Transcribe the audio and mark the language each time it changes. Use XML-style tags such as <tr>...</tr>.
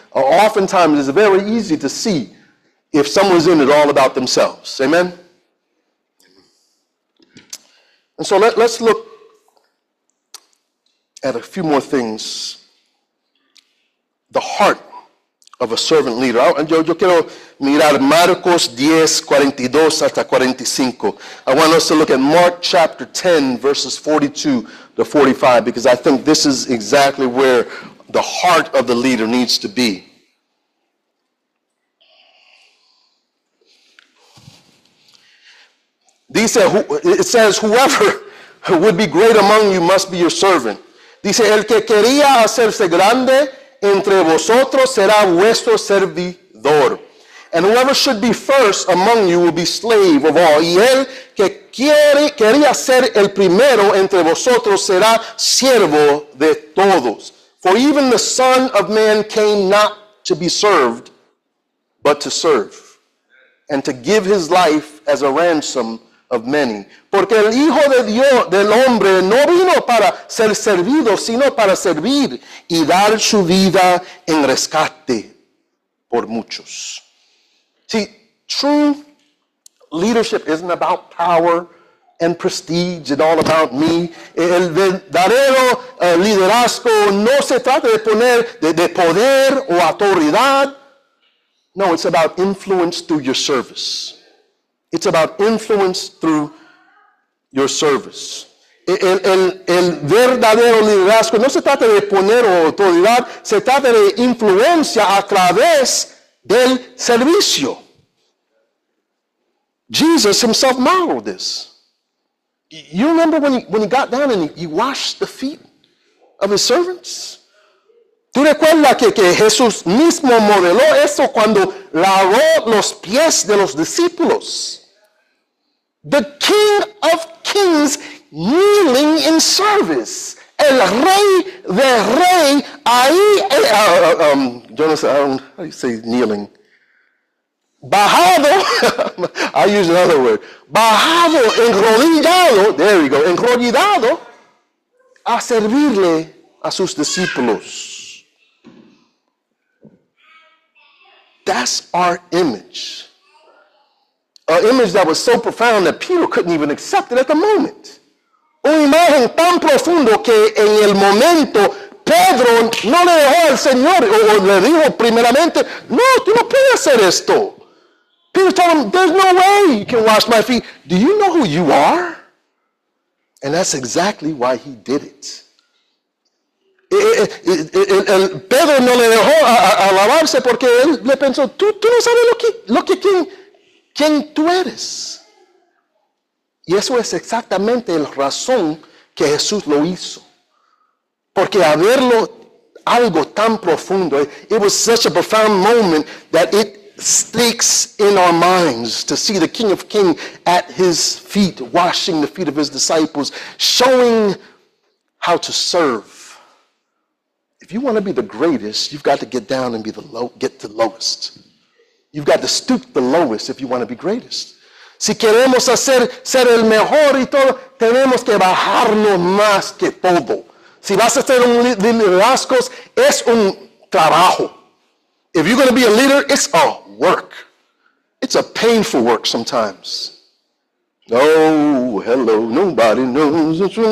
<en>Oftentimes it's very easy to see if someone's in it all about themselves. Amen? And so let's look at a few more things. The heart of a servant leader.</en> <es>Yo quiero mirar Marcos 10, 42 hasta 45.</es> <en>I want us to look at Mark chapter 10, verses 42 to 45, because I think this is exactly where the heart of the leader needs to be. Dice, it says, whoever would be great among you must be your servant.</en> <es>Dice, el que quería hacerse grande entre vosotros será vuestro servidor.</es> <en>And whoever should be first among you will be slave of all.</en> <es>Y el que quería ser el primero entre vosotros será siervo de todos.</es> <en>For even the Son of Man came not to be served, but to serve, and to give his life as a ransom of many.</en> <es>Porque el Hijo de Dios, del hombre, no vino para ser servido, sino para servir y dar su vida en rescate por muchos.</es> <en>See, true leadership isn't about power and prestige and all about me.</en> <es>El verdadero liderazgo no se trata de poner de poder o autoridad.</es> <en>No, it's about influence through your service. It's about influence through your service.</en> <es>El verdadero liderazgo no se trata de poner autoridad, se trata de influencia a través del servicio.</es> <en>Jesus himself modeled this. You remember when he got down and he washed the feet of his servants?</en> <es>¿Tú recuerdas que Jesús mismo modeló eso cuando lavó los pies de los discípulos?</es> <en>The King of Kings kneeling in service.</en> <es>El Rey de Rey ahí, Jonathan,</es> <en>how do you say kneeling?</en> <es>Bajado,</es> <en>I use another word.</en> <es>Bajado, enrodillado,</es> <en>there you go,</en> <es>enrodillado a servirle a sus discípulos.</es> <en>That's our image. An image that was so profound that Peter couldn't even accept it at the moment.</en> <es>Una imagen tan profundo que en el momento Pedro no le dejó al Señor o le dijo primeramente, no, tú no puedes hacer esto.</es> <en>Peter told him, there's no way you can wash my feet. Do you know who you are? And that's exactly why he did it.</en> <es>Pedro no le dejó a lavarse porque él le pensó, tú no sabes lo que quién tú eres. Y eso es exactamente la razón que Jesús lo hizo. Porque haberlo algo tan profundo,</es> <en>it was such a profound moment that it sticks in our minds to see the King of Kings at his feet, washing the feet of his disciples, showing how to serve. If you want to be the greatest, you've got to get down and be the low, get the lowest. You've got to stoop the lowest if you want to be greatest.</en> <es>Si queremos hacer ser el mejor y todo, tenemos que bajarnos más que todo. Si vas a ser un liderazgo, es un trabajo.</es> <en>If you're going to be a leader, it's a work. It's a painful work sometimes. Oh, hello, nobody knows.</en>